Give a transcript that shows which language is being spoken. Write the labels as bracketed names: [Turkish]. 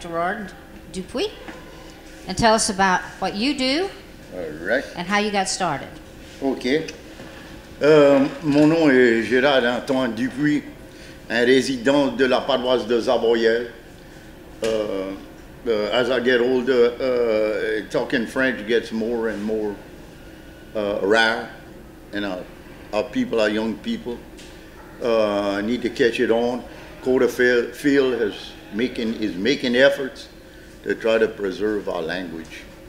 [English] Gerard Dupuy and tell us about what you do. All right. And how you got started. Okay. [French] Mon nom est Gérard Antoine Dupuy, un résident de la paroisse de Zaboyel. [English] As I get older, talking French gets more and more rare, and our young people need to catch it on. Quarterfield is making efforts to try to preserve our language.